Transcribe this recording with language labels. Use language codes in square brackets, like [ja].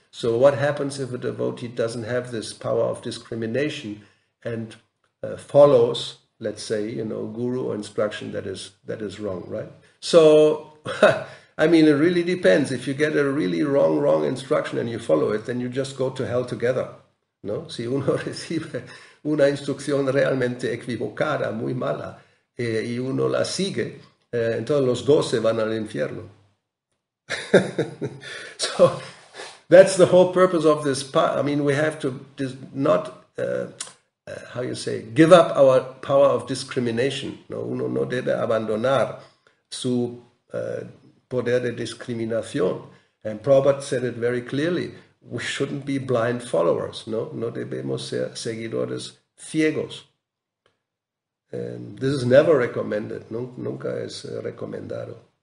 [en] So what happens if a devotee doesn't have this power of discrimination and follows, let's say, guru or instruction that is wrong, right? So I mean, it really depends. If you get a really wrong instruction and you follow it, then you just go to hell together. [es] No, si uno recibe una instrucción realmente equivocada, muy mala, y uno la sigue, entonces los dos se van al infierno. [en] So that's the whole purpose of this part. I mean, we have to not, how you say, give up our power of discrimination. [es] No, uno no debe abandonar su poder de discriminación. [en] And Prabhupada said it very clearly. We shouldn't be blind followers, no? [es] No debemos ser seguidores ciegos. [en] And this is never recommended, [es] nunca es recomendado.